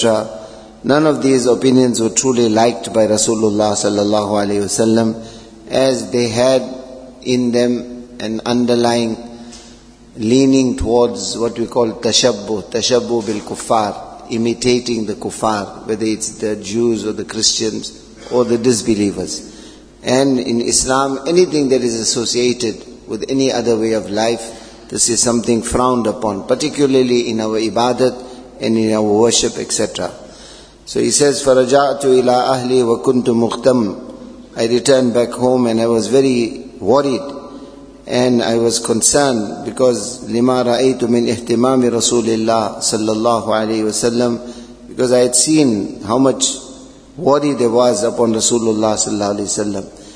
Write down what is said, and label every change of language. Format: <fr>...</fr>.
<en>None of these opinions were truly liked by Rasulullah sallallahu alaihi wasallam, as they had in them an underlying leaning towards what we call</en> <ar>tashabbu bil kuffar,</ar> <en>imitating the kuffar, whether it's the Jews or the Christians or the disbelievers. And in Islam, anything that is associated with any other way of life, this is something frowned upon, particularly in our ibadat and in our worship, etc. So he says,</en> <ar>فَرَجَعْتُ إِلَىٰ أَهْلِي وَكُنْتُ مُخْتَمْ.</ar> <en>I returned back home and I was very worried and I was concerned, because</en> <ar>لِمَا رَأَيْتُ مِنْ اِهْتِمَامِ رَسُولِ اللَّهِ صَلَّى اللَّهُ عَلَيْهِ وَسَلَّمْ.</ar> <en>Because I had seen how much worry there was upon Rasulullah sallallahu alayhi wasallam.</en>